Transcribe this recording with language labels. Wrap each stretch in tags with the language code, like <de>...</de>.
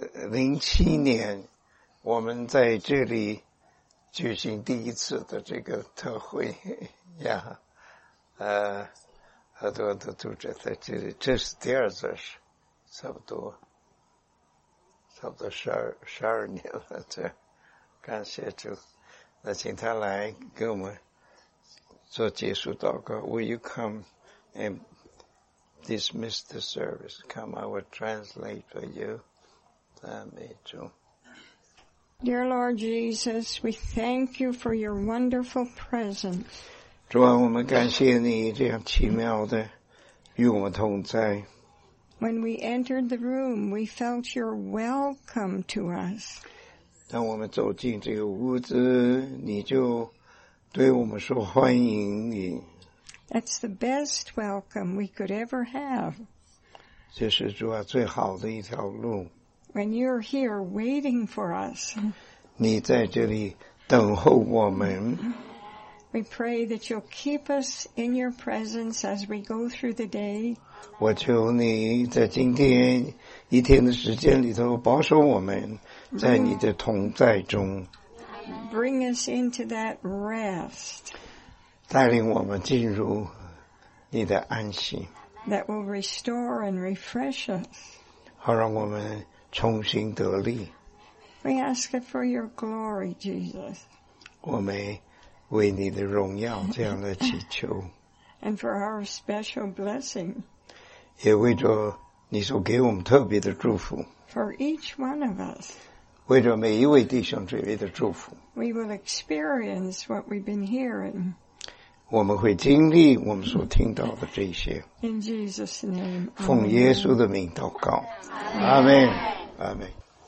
<zh>07年，我们在这里举行第一次的这个特会呀，很多的读者在这里，这是第二次，是差不多12年了。这感谢主，那请他来给我们做结束祷告。</zh> <en>Will you come and dismiss the service? Come, I will translate for you.</en> <zh>赞美主。</zh> <en>Dear Lord Jesus, we thank you for your wonderful presence.</en> <zh>主啊，我们感谢你这样奇妙的与我们同在。</zh> <en>When we entered the room, we felt your welcome to us.</en> <zh>当我们走进这个屋子，你就对我们说欢迎你。</zh> <en>That's the best welcome we could ever have.</en> <zh>这是主啊最好的一条路。</zh> <en>When you're here waiting for us,</en> <zh>你在这里等候我们。</zh> <en>We pray that you'll keep us in your presence as we go through the day.</en> <zh>我求你在今天一天的时间里头保守我们在你的同在中。</zh> <en>Bring us into that rest.</en> <zh>带领我们进入你的安息。</zh> <en>That will restore and refresh us.</en> <zh>好让我们重新得力。</zh> <en>We ask it for your glory, Jesus.</en> <zh>我们为你的荣耀这样的祈求。</zh> <en>And for our special blessing.</en> <zh>也为着你所给我们特别的祝福。</zh> <en>For each one of us.</en> <zh>为着每一位弟兄姊妹的祝福。</zh> <en>We will experience what we've been hearing.</en> <zh>我们会经历我们所听到的这些。</zh> <en>In Jesus' name.</en> <zh>奉耶稣的名祷告。阿门。阿门。</zh>